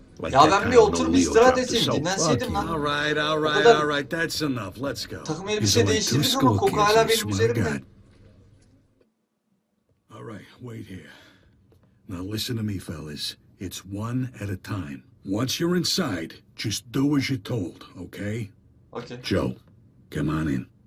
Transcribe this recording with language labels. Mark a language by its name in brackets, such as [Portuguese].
[Turkish] Ya ben bir oturup istirahat etseydim, dinlenseydim lan. [English] All right, all right, all right, that's enough, let's go. [Turkish] Takım elbise değiştirdim ama koku hala benim üzerimde. [English] All right, wait here. Now listen to me, fellas. It's one at a time. Once you're inside, just do as you're told, okay? Okay. Joe, come on in.